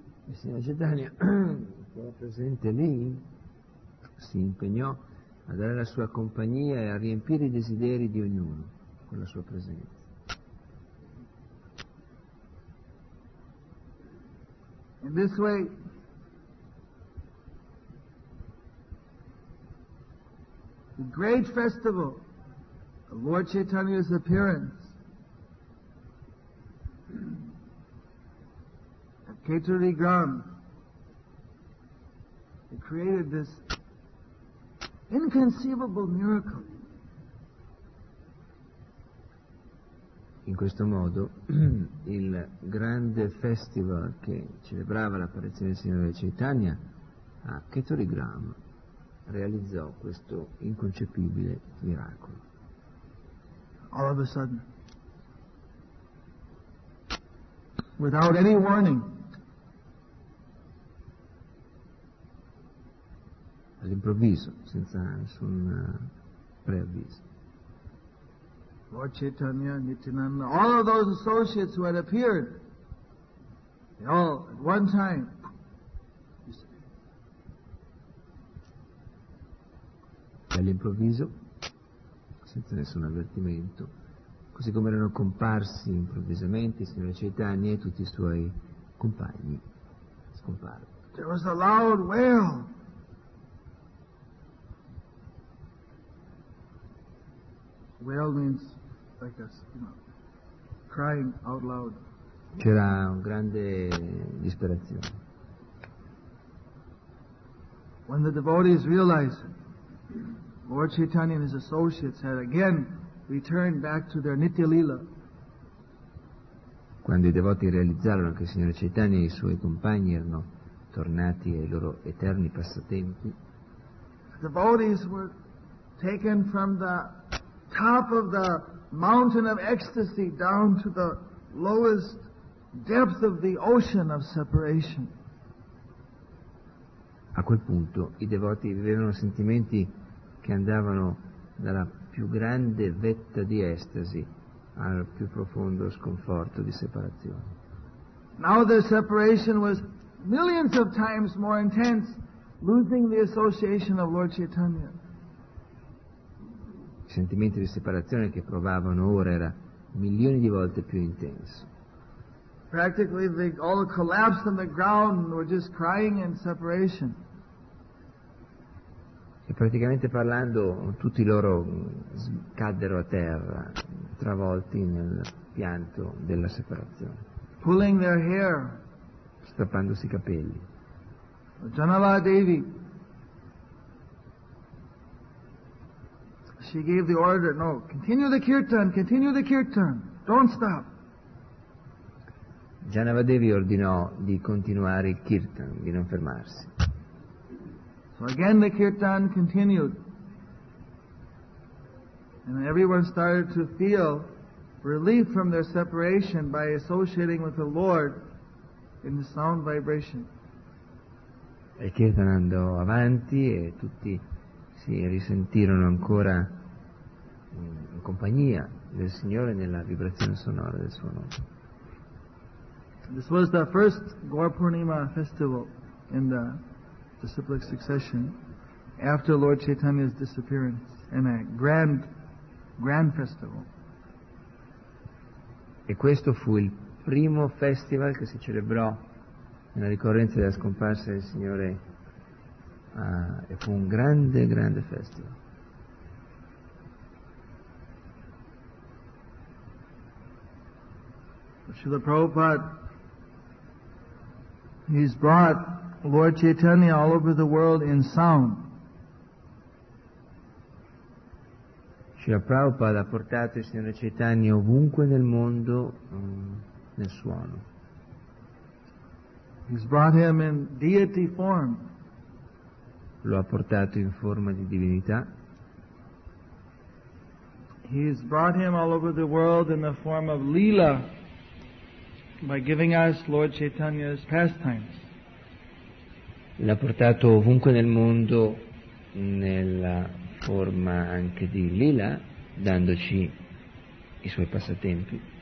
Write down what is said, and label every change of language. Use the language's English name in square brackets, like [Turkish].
[Italian] Il Signore Chaitanya, che era presente lì, si impegnò a dare la sua compagnia e a riempire i desideri di ognuno con la sua presenza. [English] In this way, the great festival of Lord Chaitanya's appearance at Kheturi Gram created this inconceivable miracle. [Italian] In questo modo, il grande festival che celebrava l'apparizione del Signore Chaitanya a Kheturi Gram realizzò questo inconcepibile miracolo. [English] All of a sudden, without any warning, [Italian] all'improvviso, senza nessun preavviso, [English] Lord Chaitanya, Nityananda, all of those associates who had appeared, they all at one time disappeared. [Italian] All'improvviso, senza nessun avvertimento, così come erano comparsi improvvisamente il Signore Chaitanya e tutti i suoi compagni, scomparvero. [English] There was a loud wail. Wail means like us, you know, crying out loud. [Italian] C'era un grande disperazione. [English] When the devotees realized Lord Chaitanya and his associates had again returned back to their Nitya Lila. [Italian] Quando i devoti realizzarono che il Signore Chaitanya e i suoi compagni erano tornati ai loro eterni passatempi, [English] the devotees were taken from the top of the mountain of ecstasy down to the lowest depth of the ocean of separation. [Italian] A quel punto i devoti vivevano sentimenti che andavano dalla più grande vetta di estasi al più profondo sconforto di separazione. [English] Now the separation was millions of times more intense, losing the association of Lord Chaitanya. [Italian] Il sentimento di separazione che provavano ora era milioni di volte più intenso. [English] Practically they all collapsed on the ground and were just crying in separation. [Italian] E praticamente parlando tutti loro caddero a terra, travolti nel pianto della separazione. [English] Pulling their hair. [Italian] Strappandosi i capelli. [English] Janala Devi. She gave the order, no, continue the kirtan, don't stop. [Italian] Janava Devi ordinò di continuare il kirtan, di non fermarsi. [English] So again the kirtan continued. And everyone started to feel relief from their separation by associating with the Lord in the sound vibration. [Italian] E il kirtan andò avanti e tutti si risentirono ancora in compagnia del Signore nella vibrazione sonora del suo nome. [English] This was the first Gaur Purnima festival in the disciplic succession after Lord Chaitanya's disappearance, in a grand festival. [Italian] E questo fu il primo festival che si celebrò nella ricorrenza della scomparsa del Signore, e fu un grande festival. [English] Srila Prabhupada, he's brought Lord Chaitanya all over the world in sound. [Italian] Srila Prabhupada ha portato il Signore Chaitanya ovunque nel mondo nel suono. [English] He's brought him in deity form. [Italian] Lo ha portato in forma di divinità. [English] He's brought him all over the world in the form of Leela, by giving us Lord Chaitanya's pastimes. [Italian] l'ha portato ovunque nel mondo nella forma anche di lila, dandoci i suoi passatempi.